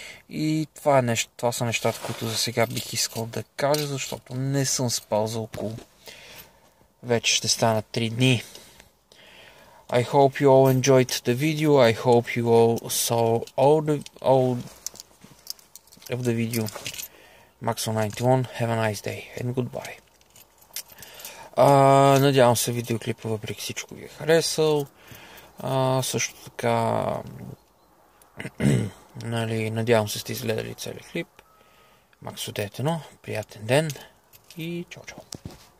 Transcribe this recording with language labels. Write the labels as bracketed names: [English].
[Bulgarian] И това са нещата, които за сега бих искал да кажа, защото не съм спал за около, вече ще станат 3 дни. [English] I hope you all enjoyed the video. I hope you all saw all of the video. Maxo 91, have a nice day and goodbye. [Bulgarian] Надявам се видеоклипа въпреки всичко ви е харесал. Също така, нали, надявам се сте изгледали целият клип. Maxo 91, приятен ден и чао-чао!